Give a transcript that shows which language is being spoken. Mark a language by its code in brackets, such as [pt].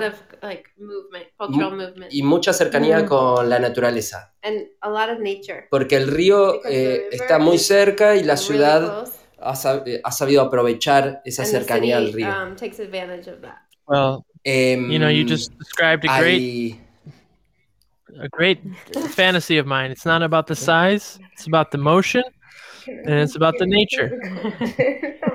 [en] But there's a lot of, like, movement, cultural movement. [es] Y mucha cercanía con la naturaleza. [en] And a lot of nature. [es] Porque el río está muy cerca y la ciudad... ha sabido aprovechar esa cercanía al río. [en] Takes advantage of that. Well, you know, you just described a great fantasy of mine. It's not about the size, it's about the motion, and it's about the nature.